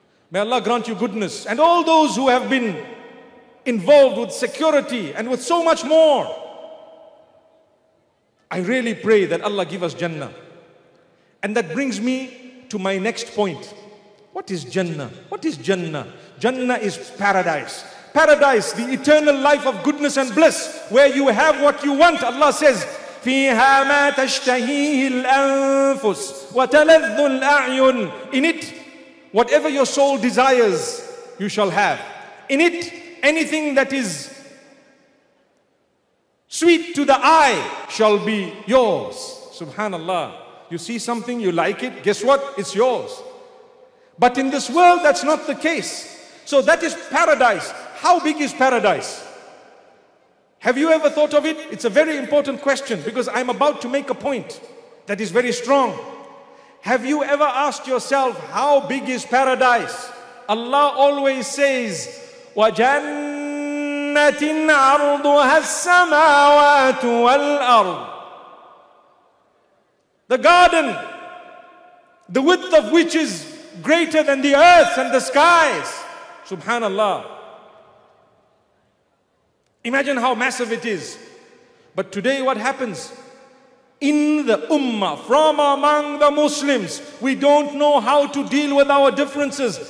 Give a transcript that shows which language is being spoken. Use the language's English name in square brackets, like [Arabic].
[English] May Allah grant you goodness. And all those who have been involved with security and with so much more, I really pray that Allah give us Jannah. And that brings me to my next point. What is Jannah? What is Jannah? Jannah is paradise. Paradise, the eternal life of goodness and bliss, where you have what you want. Allah says, [Arabic] فِيهَا مَا تَشْتَهِيهِ الْأَنفُسِ وَتَلَذُّ الْأَعْيُنِ. [English] In it, whatever your soul desires, you shall have. In it, anything that is sweet to the eye shall be yours. Subhanallah. You see something, you like it, guess what? It's yours. But in this world, that's not the case. So that is paradise. How big is paradise? Have you ever thought of it? It's a very important question because I'm about to make a point that is very strong. Have you ever asked yourself, how big is paradise? Allah always says, [Arabic] وَجَنَّةٍ عَرْضُهَا السَّمَاوَاتُ وَالْأَرْضُ. [English] The garden, the width of which is greater than the earth and the skies. Subhanallah. Imagine how massive it is. But today what happens? In the ummah, from among the Muslims, we don't know how to deal with our differences.